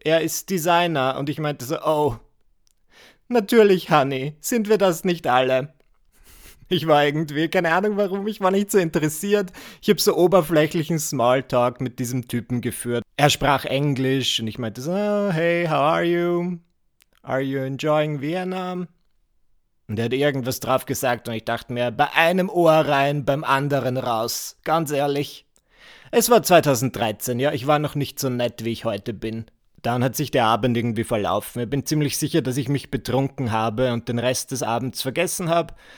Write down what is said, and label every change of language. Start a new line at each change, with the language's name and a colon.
German: Er ist Designer. Und ich meinte so, oh, natürlich, Honey, sind wir das nicht alle? Ich war irgendwie, keine Ahnung warum, ich war nicht so interessiert. Ich habe so oberflächlichen Smalltalk mit diesem Typen geführt. Er sprach Englisch und ich meinte so, oh,
English: hey, how are you? Are you enjoying Vietnam?
German: Und er hat irgendwas drauf gesagt und ich dachte mir, bei einem Ohr rein, beim anderen raus. Ganz ehrlich. Es war 2013, ja, ich war noch nicht so nett, wie ich heute bin. Dann hat sich der Abend irgendwie verlaufen. Ich bin ziemlich sicher, dass ich mich betrunken habe und den Rest des Abends vergessen habe.